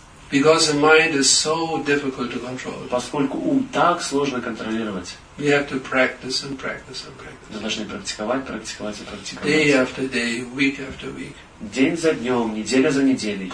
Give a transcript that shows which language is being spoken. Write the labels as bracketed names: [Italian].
[English] Because the mind is so difficult to control. [Russian] Поскольку ум так сложно контролировать. [English] We have to practice and practice and practice. [Russian] Мы должны практиковать, практиковать и практиковать. [English] Day after day, week after week. [Russian] День за днем, неделя за неделей.